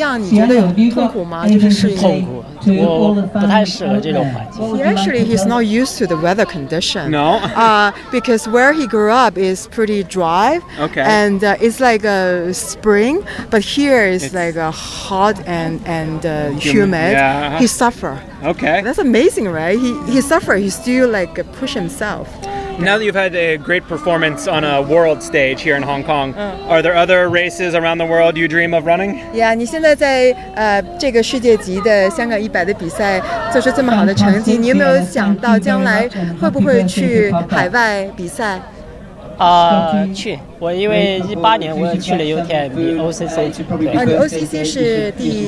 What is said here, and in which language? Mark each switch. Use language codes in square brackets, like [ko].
[zh] 因为这边它整体湿度比较大，靠海边，所以我家那边是属于高原，然后就是四季如春，然后温度比较低嘛，海拔比较高。那比较不一样，你觉得有痛苦吗？就是适应。 [en] He actually, he's not used to the weather condition. No. Because where he grew up is pretty dry. Okay. And it's like a spring, but here it's like a hot and humid. Yeah. He suffer. Okay. That's amazing, right? He suffer. He still like push himself. Now that you've had a great performance on a world stage here in Hong Kong, are there other races around the world you dream of running? [zh] Yeah, 你现在在这个世界级的香港100的比赛做出这么好的成绩, 你有没有想到将来会不会去海外比赛? 去 我因为18年我去了UTMB OCC 你OCC是第